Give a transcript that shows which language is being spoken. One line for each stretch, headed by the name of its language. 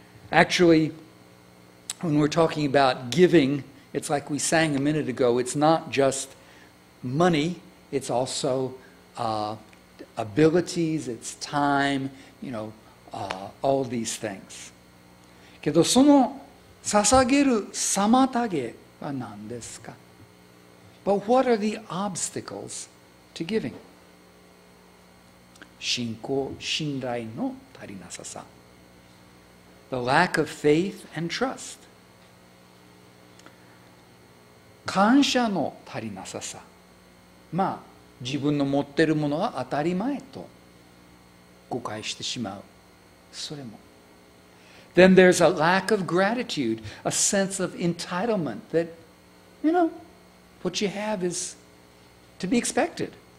English: Actually, when we're talking about giving, it's like we sang a minute ago, it's not just money, it's also abilities, it's time, you know, all these things.
Japanese: けどその捧げる妨げは何ですか?
English: But what are the obstacles to giving?
Japanese: 信仰、信頼の足りなささ。
English: The lack of faith and trust.
Japanese: 感謝の足りなささ。まあ、自分の持ってるものは当たり前と誤解してしまう。それも。
English: Then there's a lack of gratitude, a sense of entitlement that, you know, what you have is to be expected.